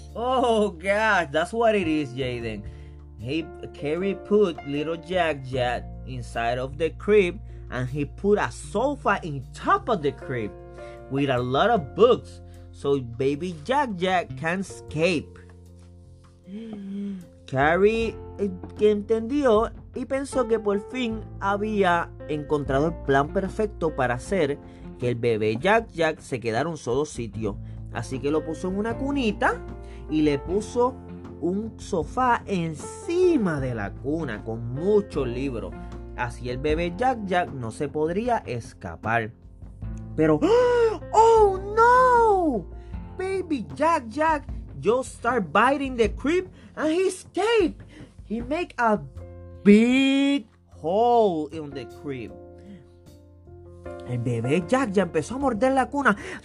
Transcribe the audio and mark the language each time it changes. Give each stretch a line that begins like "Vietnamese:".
English: Oh, God, that's what it is, Jaden. Carrie put little Jack-Jack inside of the crib, and he put a sofa in top of the crib with a lot of books, so baby Jack-Jack can escape.
Spanish: Carrie entendió y pensó que por fin había encontrado el plan perfecto para hacer que el bebé Jack-Jack se quedara en un solo sitio. Así que lo puso en una cunita y le puso un sofá encima de la cuna con muchos libros. Así el bebé Jack-Jack no se podría escapar. Pero, ¡oh no!
English: Baby Jack-Jack just start biting the crib and he escaped. He make a big hole in the crib.
Spanish: El bebé Jack ya empezó a morder la cuna.